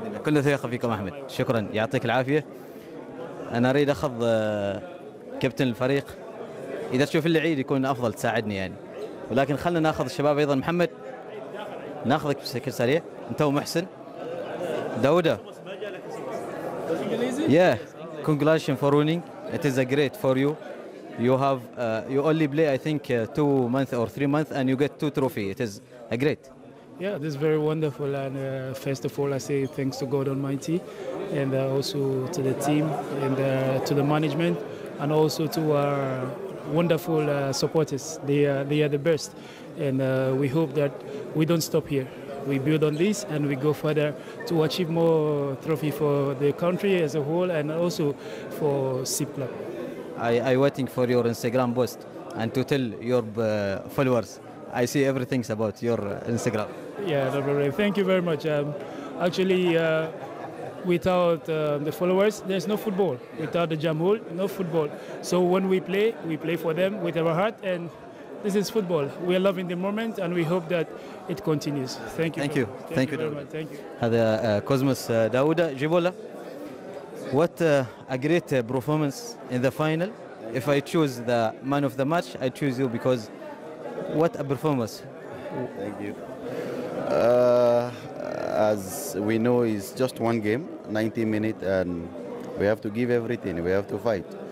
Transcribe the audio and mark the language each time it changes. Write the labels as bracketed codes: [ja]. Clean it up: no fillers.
[ar] كل ثقه فيكم احمد، شكرا، يعطيك العافيه. انا اريد اخذ كابتن الفريق، اذا تشوف اللعيب يكون افضل تساعدني يعني، ولكن خلنا ناخذ الشباب ايضا. محمد ناخذك بشكل سريع، انت ومحسن داوده. [en] Yeah, congratulations for winning. It is a great for you. You have you only play I think 2 months or 3 months and you get 2 trophy. It is a great. Yeah, this is very wonderful. And first of all, I say thanks to God Almighty, and also to the team and to the management, and also to our wonderful supporters. They are the best, and we hope that we don't stop here. We build on this and we go further to achieve more trophy for the country as a whole and also for SIP Club. I waiting for your Instagram post and to tell your followers. I see everything about your Instagram. Yeah, thank you very much. Actually, without the followers, there's no football. Without the Jamhul, no football. So when we play for them with our heart, and this is football. We are loving the moment and we hope that it continues. Thank you. Thank you. Thank you very much. Thank you. [ar] هذا كوزموس داوودا جيبولا. [en] What a great performance in the final. If I choose the man of the match, I choose you because what a performance. Thank you. As we know, it's just one game, 90 minutes, and we have to give everything. We have to fight.